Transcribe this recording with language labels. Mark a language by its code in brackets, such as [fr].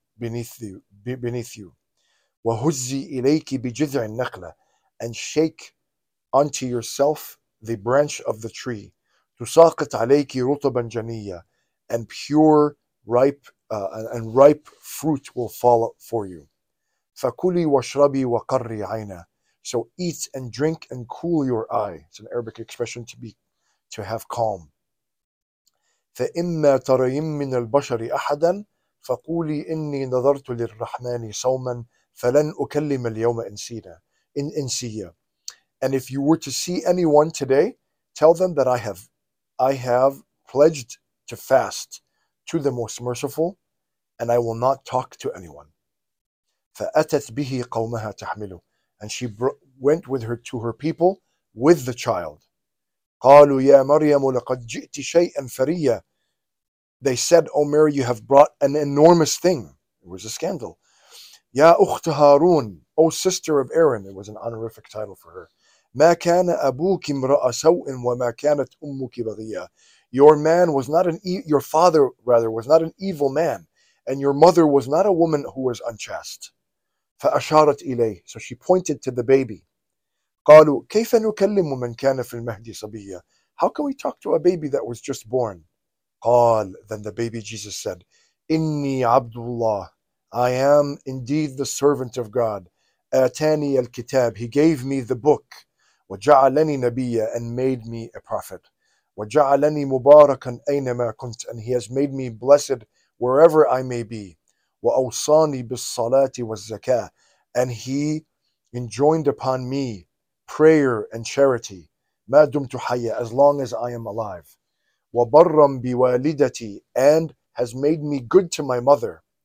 [en] beneath you. [ar] وهزي إليك بجذع النخلة, [en] and shake unto yourself the branch of the tree. [ar] تساقط عليك رطبا جنية, [en] and pure ripe and ripe fruit will fall for you. [ar] فكلي واشربي وقري عينا. [en] So eat and drink and cool your eye. It's an Arabic expression to have calm. [ar] فإما ترين من البشر أحدا فقولي إني نظرت للرحمن صوما فلن أكلم اليوم إنسينا إن إنسيا. [en] And if you were to see anyone today, tell them that I have pledged to fast to the Most Merciful, and I will not talk to anyone. [ar] فأتت به قومها تحمله. [en] And she went with her to her people with the child. [ar] قالوا يا مريم لقد جئت شيئا فريا. [en] They said, O Mary, you have brought an enormous thing. It was a scandal. [ar] يا أخت هارون, [en] O sister of Aaron. It was an honorific title for her. [ar] ما كان أبوك امرأ سوء وما كانت أمك بغية. [en] Your father rather was not an evil man, and your mother was not a woman who was unchaste. [ar] فأشارت إليه. [en] So she pointed to the baby. [ar] قالوا كيف نكلم من كان في المهدي صبية. [en] How can we talk to a baby that was just born? [ar] قال. [en] Then the baby Jesus said, [ar] إني عبد الله. [en] I am indeed the servant of God. [ar] آتاني الكتاب. [en] He gave me the book. [ar] وجعلني نبيا. [en] And made me a prophet. [ar] وجعلني مباركا أينما كنت. [en] And he has made me blessed wherever I may be. [ar] وأوصاني بالصلاة والزكاة. [en] And he enjoined upon me prayer and charity. [ar] ما دمت حيا. [en] As long as I am alive. [ar] وبرا بوالدتي. [en] And has made me good to my mother.